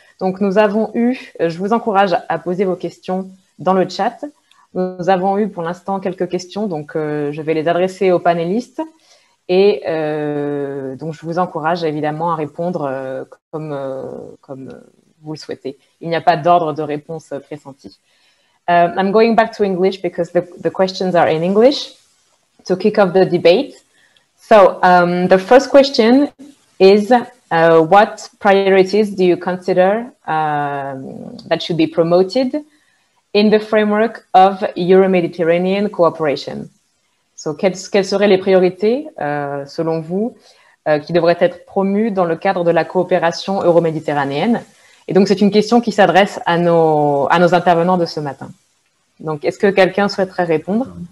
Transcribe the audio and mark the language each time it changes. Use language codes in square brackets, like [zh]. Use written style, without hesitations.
[fr] Donc, nous avons eu, je vous encourage à poser vos questions dans le chat. Nous avons eu pour l'instant quelques questions, donc je vais les adresser aux panélistes. Et donc, je vous encourage évidemment à répondre comme vous le souhaitez. Il n'y a pas d'ordre de réponse pressenti. [en] I'm going back to English because the questions are in English to kick off the debate. So the first question is, what priorities do you consider that should be promoted in the framework of Euro-Mediterranean cooperation? [fr] So quelles seraient les priorités, selon vous, qui devraient être promues dans le cadre de la coopération euro-méditerranéenne? Et donc, c'est une question qui s'adresse à nos intervenants de ce matin. Donc, est-ce que quelqu'un souhaiterait répondre?